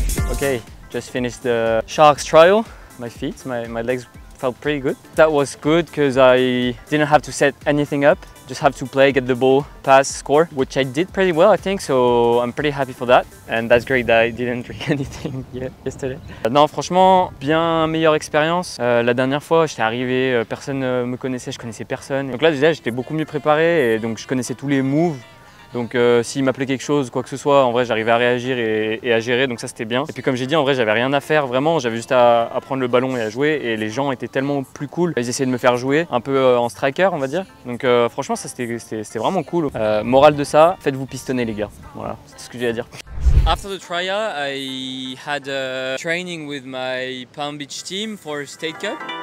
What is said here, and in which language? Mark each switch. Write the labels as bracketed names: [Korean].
[English] Okay, just finished the sharks trial. My feet, my legs felt pretty good. That was good because I didn't have to set anything up, just have to play, get the ball, pass, score, which I did pretty well, I think, so I'm pretty happy for that. And that's great that I didn't drink anything yesterday. [French] Non, franchement, bien meilleure expérience. La dernière fois, j'étais arrivé, personne me connaissait, je connaissais personne. Donc là, déjà, j'étais beaucoup mieux préparé et donc je connaissais tous les moves. Donc s'il m'appelait quelque chose, quoi que ce soit, en vrai j'arrivais à réagir et à gérer, donc ça c'était bien. Et puis comme j'ai dit, en vrai j'avais rien à faire vraiment, j'avais juste à prendre le ballon et à jouer, et les gens étaient tellement plus cool. Ils essayaient de me faire jouer un peu en striker, on va dire. Donc franchement ça c'était vraiment cool. Morale de ça, faites-vous pistonner les gars. Voilà, c'est ce que j'ai à dire. [English] After the tryout, I had a training with my Palm Beach team for State Cup.